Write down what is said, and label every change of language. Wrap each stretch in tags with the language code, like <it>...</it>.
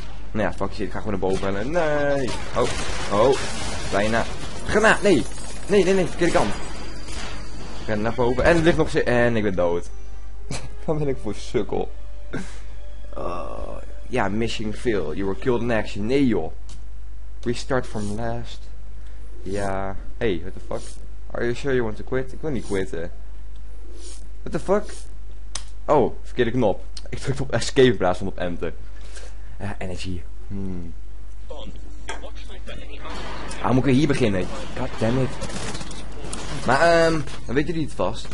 <nl>Nou ja, fuck je, ik ga gewoon naar boven bellen. Nee. Oh, oh, bijna. Granaat, nee. Nee, verkeerde kant. Ik ren naar boven en het ligt nog zin. En ik ben dood. Wat ben ik voor sukkel.</nl> <en>Yeah, mission failed. You were killed in action.</en> <nl>Nee, joh.</nl> <en>Restart from last. Yeah. Hey, what the fuck? Are you sure you want to quit?</en> <nl>Ik wil niet quitten.</nl> <en>What the fuck?</en> <nl>Oh, verkeerde knop. Ik drukte op escape in plaats van op enter. Energy. Ah, moet ik hier beginnen?</nl> <en>God damn it.</en> <nl>Maar, dan weet jullie het vast.</nl>